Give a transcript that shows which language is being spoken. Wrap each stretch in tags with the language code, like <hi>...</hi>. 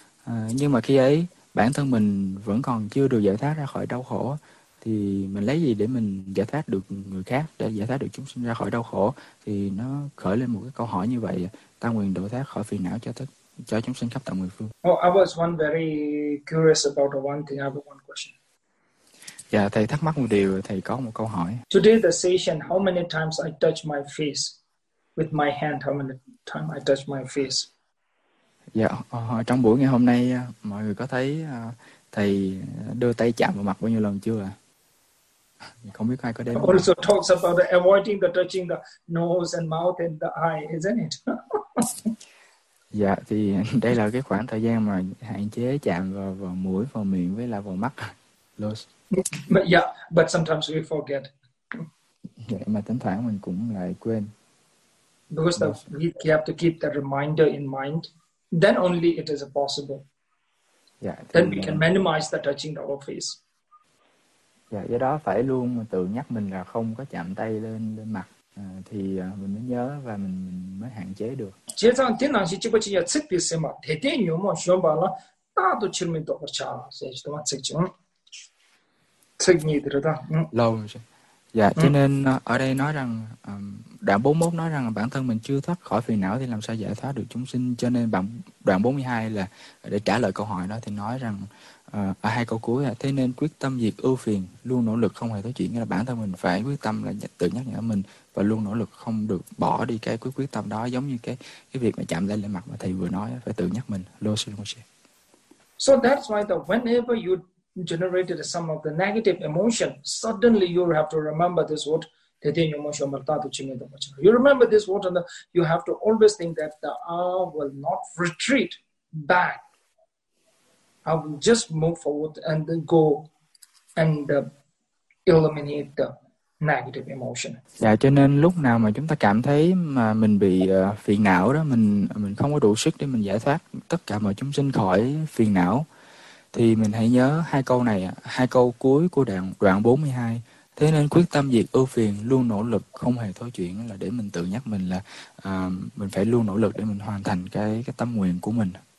<vi>Nhưng mà khi ấy bản thân mình vẫn còn chưa được giải thoát ra khỏi đau khổ thì mình lấy gì để mình giải thoát được người khác, để giải thoát được chúng sinh ra khỏi đau khổ, thì nó khởi lên một cái câu hỏi như vậy: ta nguyện độ thoát khỏi phiền não cho tất cho chúng sinh khắp tạm mười phương.</vi> <en>Oh, I was one very curious about one thing. I have one question.</en> <vi>Dạ, thầy thắc mắc một điều, thầy có một câu hỏi.</vi> <en>Today the session, how many times I touch my face with my hand? How many times I touch my face?</en> <vi>Dạ, trong buổi ngày hôm nay, mọi người có thấy thầy đưa tay chạm vào mặt bao nhiêu lần chưa ạ? Không biết ai có đem.</vi> <en>Also talks about the avoiding the touching the nose and mouth and the eye, isn't it?</en> <vi>Dạ, thì đây là cái khoảng thời gian mà hạn chế chạm vào mũi, vào miệng với là vào mắt.</vi> <en>But sometimes we forget.</en> <vi>Vậy mà thỉnh thoảng mình cũng lại quên.</vi> <en>Because we have to keep the reminder in mind. Then only it is possible. Yeah, then we can minimize the touching of our face.</en> <vi>Yeah, do đó phải luôn tự nhắc mình là không có chạm tay lên mặt thì mình mới nhớ và mình mới hạn chế được. Chế sang tiến năng chỉ bất chỉ là thực tế xem mà thế thế nhiều mà xem bảo là ta tổ chức mình tổ chức là sẽ chúng ta thực chứng thực nhị được đó. Lâu rồi. Dạ, cho nên ở đây nói rằng đoạn 41 nói rằng bản thân mình chưa thoát khỏi phiền não thì làm sao giải thoát được chúng sinh. Cho nên đoạn 42 là để trả lời câu hỏi đó thì nói rằng hai câu cuối là thế nên quyết tâm diệt ưu phiền, luôn nỗ lực không hề thối chuyển. Nghĩa là bản thân mình phải quyết tâm là tự nhắc nhở mình và luôn nỗ lực không được bỏ đi cái quyết tâm đó, giống như cái việc mà chạm lên mặt mà thầy vừa nói, phải tự nhắc mình.</vi> <en>So that's why whenever you generated some of the negative emotion, suddenly you have to remember this word. You remember this word and you have to always think that the I will not retreat back. I will just move forward and then go and eliminate the negative emotion.</en> <vi>Dạ, cho nên lúc nào mà chúng ta cảm thấy mà mình bị phiền não đó, mình không có đủ sức để mình giải thoát tất cả mọi chúng sinh khỏi phiền não, thì mình hãy nhớ hai câu này, hai câu cuối của đoạn 42. Thế nên quyết tâm diệt ưu phiền, luôn nỗ lực không hề thối chuyển, là để mình tự nhắc mình là mình phải luôn nỗ lực để mình hoàn thành cái tâm nguyện của mình.</vi>